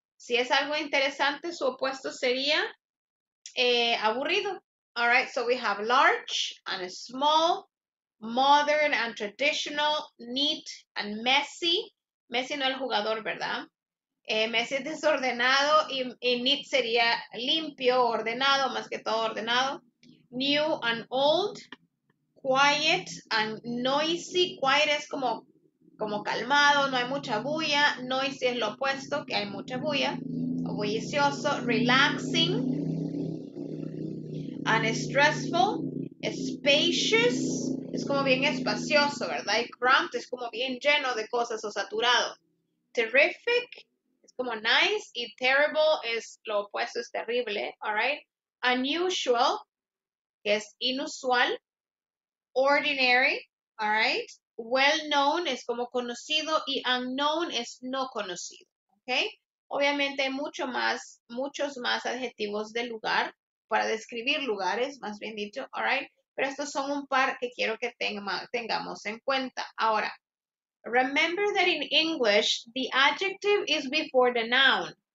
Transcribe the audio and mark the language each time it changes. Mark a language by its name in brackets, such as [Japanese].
[Spanish] Si es algo interesante, su opuesto sería aburrido. [English] All right, so we have large and small, modern and traditional, neat and messy. [Spanish] Messi no es el jugador, ¿verdad? Messi es desordenado y neat sería limpio, ordenado, más que todo ordenado. [English] New and old, quiet and noisy. [Spanish] Quiet es como calmado, no hay mucha bulla. Noisy es lo opuesto, que hay mucha bulla. Bullicioso, relaxing. [English] And stressful. Spacious. [Spanish] es como bien espacioso, ¿verdad? Y cramped es como bien lleno de cosas o saturado. Terrific es como nice y terrible es lo opuesto, es terrible, alright. Unusual, que es inusual. Ordinary, alright. Well known es como conocido y unknown es no conocido, ¿ok? Obviamente hay mucho más, muchos más adjetivos de lugar para describir lugares, más bien dicho, alright. Pero estos son un par que quiero que tengamos en cuenta. [English] Ahora, remember that in English, the adjective is before the noun.